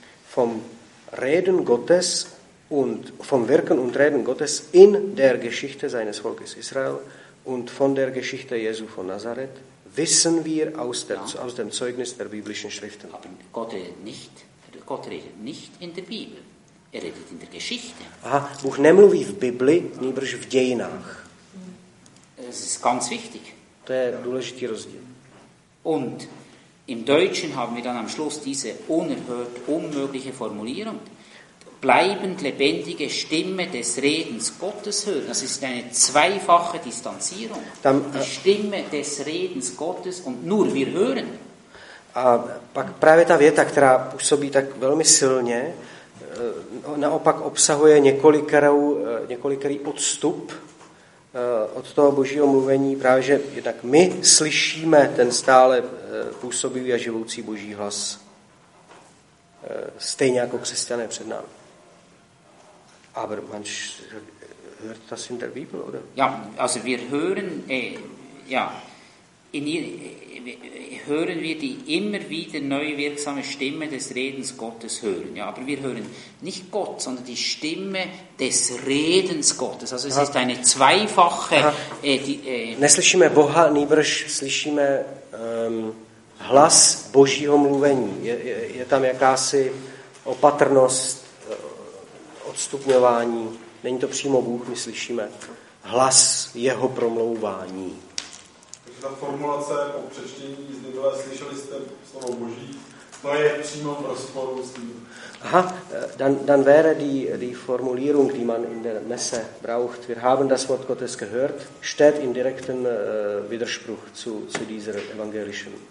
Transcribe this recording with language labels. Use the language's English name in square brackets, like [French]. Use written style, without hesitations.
[German] Vom Reden Gottes und vom Wirken und Reden Gottes in der Geschichte seines Volkes Israel und von der Geschichte Jesu von Nazareth wissen wir aus dem Zeugnis der biblischen Schriften. Aber Gott redet nicht in der Bibel, er redet in der Geschichte. [Czech] Aha, Buch nemluví v Bibli, nýbrž v dějinách. [German] Das ist ganz wichtig. [Czech] To je důležitý rozdíl. [German] Und im Deutschen haben wir dann am Schluss diese unerhört unmögliche Formulierung. Bleibend lebendige Stimme des Redens Gottes hören. Das ist eine zweifache Distanzierung. Die Stimme des Redens Gottes und nur wir hören. [Czech] A pak právě ta věta, která působí tak velmi silně, naopak obsahuje několikerý odstup od toho Božího mluvení, právě že jednak my slyšíme ten stále působivý a živoucí Boží hlas, stejně jako křesťané před námi. [German] Aber man hört das in der Bibel, oder? Ja, also wir hören, hören wir die immer wieder neu wirksame Stimme des Redens Gottes hören. Ja, aber wir hören nicht Gott, sondern die Stimme des Redens Gottes. Also es ist eine zweifache... [Czech] Neslyšíme Boha, nýbrž slyšíme hlas Božího mluvení. Je tam jakási opatrnost, odstupňování. Není to přímo Bůh, my slyšíme hlas jeho promlouvání. Takže ta formulace po přečtení z Bible, slyšeli jste slovo Boží, to je přímo v rozporu s tím. [German] Aha, dann wäre die Formulierung, die man in der Messe braucht, wir haben das Wort Gottes gehört, steht in direktem Widerspruch zu dieser evangelischen.